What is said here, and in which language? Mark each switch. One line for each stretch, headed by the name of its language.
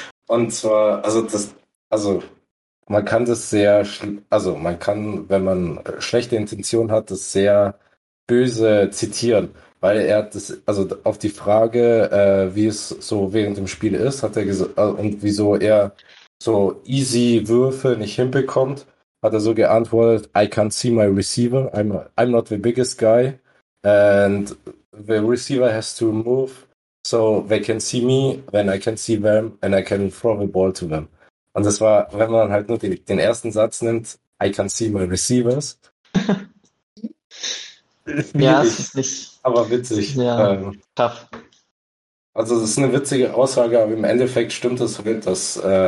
German: Und zwar, man kann das sehr, man kann, wenn man schlechte Intention hat, das sehr böse zitieren. Weil er hat das, also auf die Frage, wie es so während dem Spiel ist, hat er gesagt, und wieso er so easy Würfe nicht hinbekommt, hat er so geantwortet,
English: I can't see my receiver, I'm not the biggest guy, and the receiver has to move, so they can see me, then I can see them, and I can throw the ball to them.
German: Und das war, wenn man halt nur den ersten Satz nimmt,
English: I can see my receivers.
German: Ja, es ist nicht... Aber witzig. Ja, tough. Also das ist eine witzige Aussage, aber im Endeffekt stimmt das halt, dass...